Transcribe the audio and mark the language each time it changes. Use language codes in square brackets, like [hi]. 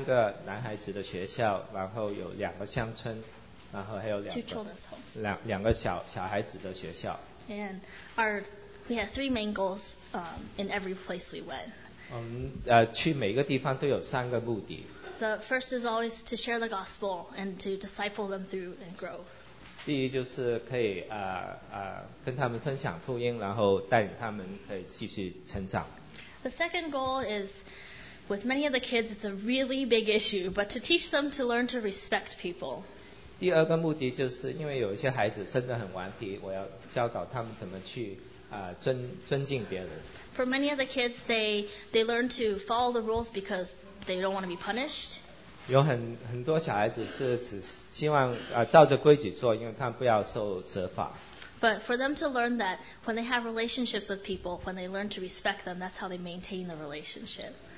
[zh] 这个学期我们就探访3个男孩子的学校, 然后有2个乡村, 然后还有两个, [en] 2 children's homes. [zh] 两个小孩子的学校。 [en] And our, we had three main goals in every place we went. [zh] 去每个地方都有三个目的。 [en] The first is always to share the gospel and to disciple them through and grow. [zh] 第一就是可以 跟他们分享福音, 然后带领他们可以继续成长。 [en] The second goal is, with many of the kids, it's a really big issue, but to teach them to learn to respect people. [zh] 第二个目的就是因为有一些孩子生得很顽皮, 我要教导他们怎么去 尊敬别人。 [en] For many of the kids, they learn to follow the rules because they don't want to be punished. [zh] 有很多小孩子是只希望 照着规矩做, 因为他们不要受责罚。 [en] But for them to learn that when they have relationships with people, when they learn to respect them, that's how they maintain the relationship.